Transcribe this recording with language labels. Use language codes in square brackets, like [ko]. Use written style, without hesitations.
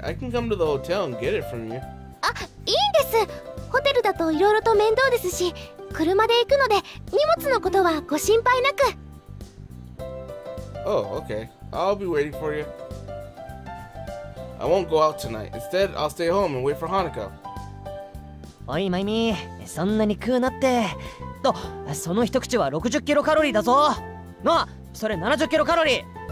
[en] I can come to the hotel and get it from you. [ja] あ、いいんです。ホテルだといろいろと面倒ですし、車で行くので荷物のことはご心配なく。 [en] Oh, okay. I'll be waiting for you. I won't go out tonight. Instead, I'll stay home and wait for Hanako. [ja] おい、マイミー、そんなに食うなって。と、その一口は60キロカロリーだぞ。なあ、それ70キロカロリー。